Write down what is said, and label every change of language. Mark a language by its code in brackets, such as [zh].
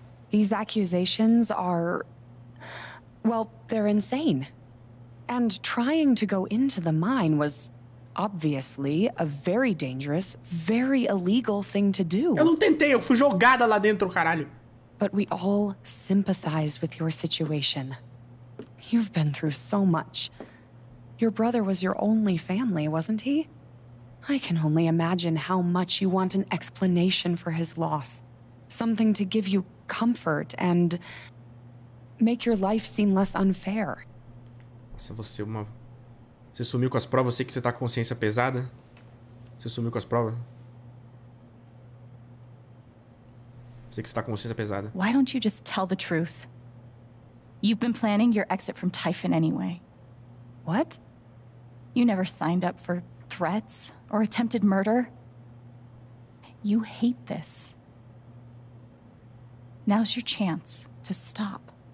[en] These accusations are... Well, they're insane. And trying to go into the mine was obviously a very dangerous, very illegal thing to do. [pt] Eu não tentei, eu fui jogada lá dentro, caralho. [en] But we all sympathize with your situation. You've been through so much. Your brother was your only family, wasn't he? I can only imagine how much you want an explanation for his loss. Something to give you comfort and make your life seem less unfair. [pt] Nossa, você uma... Você sumiu com as provas? Eu sei que você tá com consciência pesada. Você sumiu com as provas? Eu sei que você tá com consciência pesada. [en] Why don't you just tell the truth? You've been planning your exit from Typhon anyway. What? You never signed up for threats or attempted murder. You hate this. Now's your chance to stop.